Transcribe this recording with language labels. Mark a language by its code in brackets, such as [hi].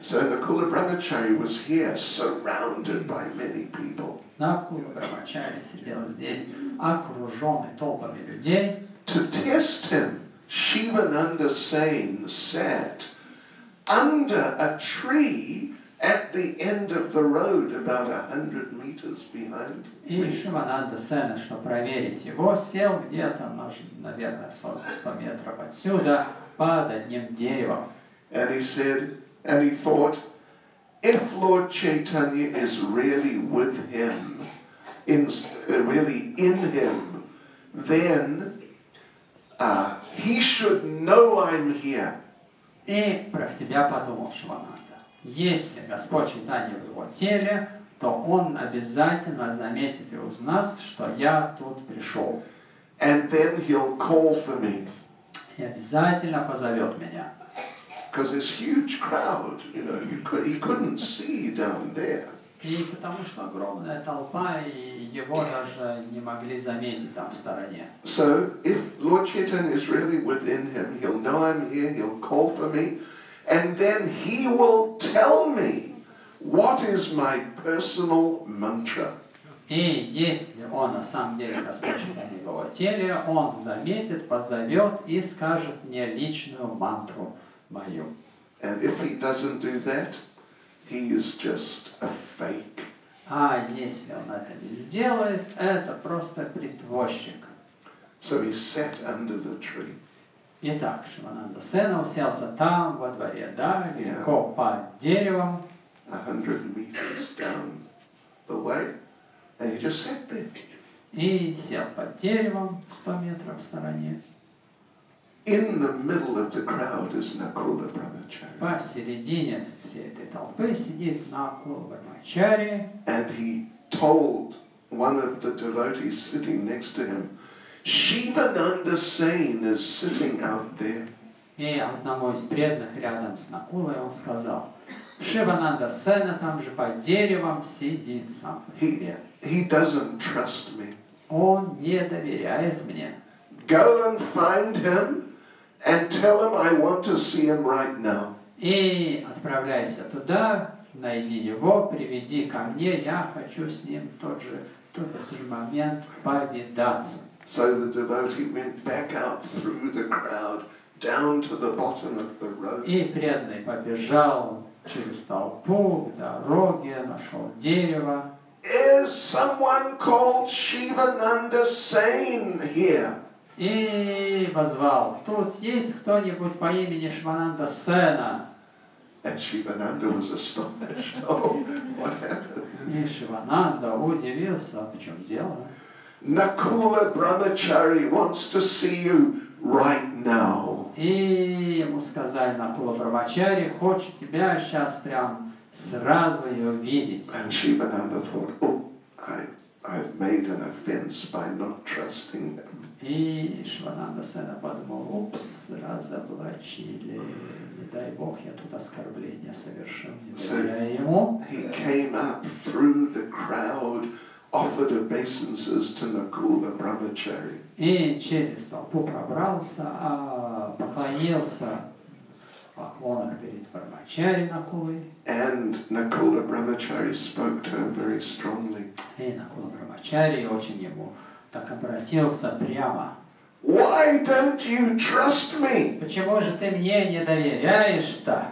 [en] So Nakula Brahmachari was here, surrounded by many people. [ru] Накула Брахмачари сидел здесь, окруженный толпами людей. [en] To test him, Shivananda Sen sat under a tree at the end of the road, about 100 meters behind. [ru] И Шивананда Сена, чтобы проверить его, сел где-то, наверное, 100 метров отсюда, под одним деревом. [en] And he said, and he thought, if Lord Chaitanya is really with him, really in him, then he should know I'm here. [ru] И про себя подумал Шивананда. Если Господь Чайтанья в его теле, то он обязательно заметит и узнаст, что я тут пришел. [en] And then he'll call for me. [ru] И обязательно позовет меня. [en] Because it's huge crowd, you know, he couldn't see down there. [ru] И потому что огромная толпа, и его даже не могли заметить там в стороне. [en] So, if Lord Chaitanya is really within him, he'll know I'm here, he'll call for me. And then he will tell me what is my personal mantra. [ru] И если он на самом деле Господь в его теле, он заметит, позовет и скажет мне личную мантру мою. [en] And if he doesn't do that, he is just a fake. [ru] А если он это не сделает, это просто притворщик. [en] So he sat under the tree. [ru] Итак, Шивананда Сен уселся там, во дворе, да, легко под деревом. [en] 100 meters down the way, and he just sat there. [ru] И сел под деревом, 100 метров в стороне. [en] In the middle of the crowd is Nakula Brahmachari. [ru] Посередине всей этой толпы сидит Накула Брахмачари. [en] And he told one of the devotees sitting next to him, Shivananda Sen is sitting out there. [ru] И одному из преданных рядом с Накулой он сказал, Шивананда Сена там же под деревом сидит сам по себе. [en] He doesn't trust me. [ru] Он не доверяет мне. [en] Go and find him and tell him I want to see him right now. [ru] И отправляйся туда, найди его, приведи ко мне, я хочу с ним тот же момент повидаться. [en] So the devotee went back out through the crowd down to the bottom of the road. [ru] И преданный побежал через толпу к дороге, нашел дерево. [en] Is someone called Shivananda Sen here? [ru] И позвал. Тут есть кто-нибудь по имени Шивананда Сена? [en] And Shivananda was astonished. Oh, what happened? [ru] И Шивананда удивился. В чем дело? [en] Nakula Brahmachari wants to see you right now. [ru] И ему сказали, Nakula Brahmachari хочет тебя сейчас прям сразу ее видеть. [en] And Shivananda thought, oh, I've made an offense by not trusting him. [ru] И пришла на Анна-сцену, подумал, упс, разоблачили, не дай Бог, я тут оскорбление совершил, не доверяя ему. [en] He came up through the crowd, offered obeisances to Nakula Brahmachari. [ru] И через толпу пробрался, поклонился поклонах перед Брахмачари Накулой. [en] And Nakula Brahmachari spoke to him very strongly. [ru] И Накула Брахмачари очень ему так обратился прямо. [en] Why don't you trust me? [ru] Почему же ты мне не доверяешь-то?